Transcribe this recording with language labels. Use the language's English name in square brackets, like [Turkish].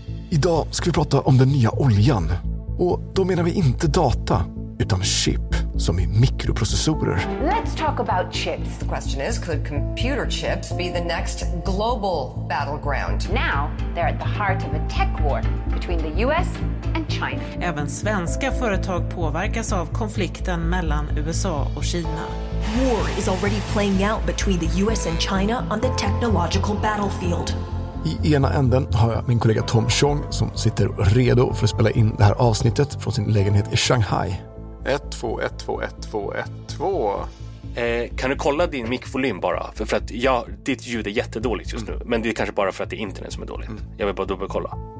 [Swedish] Idag ska vi prata om den nya oljan. Och då menar vi inte data, utan chip, som är mikroprocessorer. [English] Let's talk about chips. The question is, could computer chips be the next global battleground? Now, they're at the heart of a tech war between the US and China. [Swedish] Även svenska företag påverkas av konflikten mellan USA och Kina. [English] War is already playing out between the US and China on the technological battlefield. [Swedish] I ena änden har jag min kollega Tom Chong som sitter redo för att spela in det här avsnittet från sin lägenhet i Shanghai. 1, 2, 1, 2, 1, 2, 1, 2. Kan du kolla din mikrofonvolym bara? För att ja, ditt ljud är jättedåligt just nu. Men det är kanske bara för att det är internet som är dåligt. Jag vill bara dubbelkolla.